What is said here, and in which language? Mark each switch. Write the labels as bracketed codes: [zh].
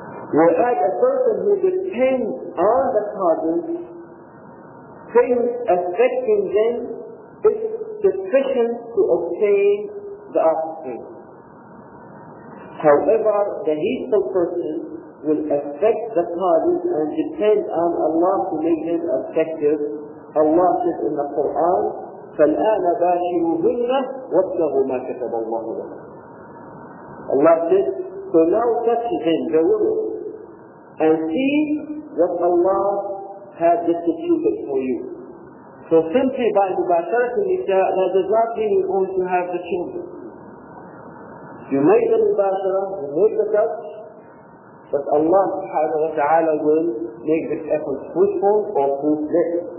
[en] Whereas a person who depends on the causes thinks affecting them is sufficient to obtain the offspring. However, the heedful person will affect the causes and depend on Allah to make them effective. Allah says in the Quran, [ar] فَالْآنَ بَاشِرُهُنَّ وَابْتَغُوا مَا كَتَبَ اللَّهُ لَكُمْ. [en] Allah says, so now touch them, the women, and see what Allah has instituted for you. So simply by Mubasharat al-Nisa, that does not mean you're going to have the children. You make the Mubasharat, you make the touch, but Allah subhanahu wa ta'ala will make this effort fruitful or fruitless.